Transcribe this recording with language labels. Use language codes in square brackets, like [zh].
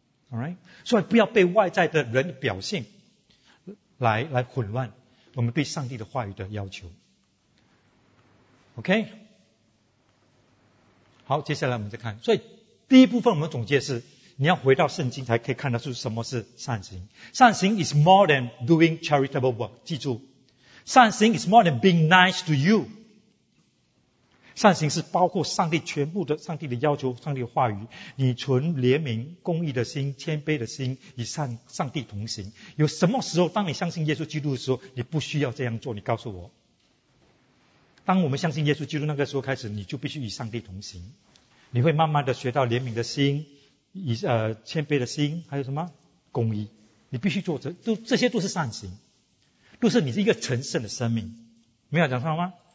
[en] All right? [zh] 所以不要被外在的人的表现 来混乱我们对上帝的话语的要求。OK? 好，接下来我们再看。所以第一部分我们总结是，你要回到圣经才可以看得出什么是善行。 [en] 善行 is more than doing charitable work. [zh] 记住， [en] 善行 is more than being nice to you. [zh] 善行是包括上帝全部的，上帝的要求，上帝的话语，你存怜悯公义的心，谦卑的心，与上帝同行。有什么时候当你相信耶稣基督的时候你不需要这样做？你告诉我，当我们相信耶稣基督那个时候开始，你就必须与上帝同行，你会慢慢的学到怜悯的心，谦卑的心，还有什么公义，你必须做这，都这些都是善行，都是你是一个成圣的生命，没有讲错吗？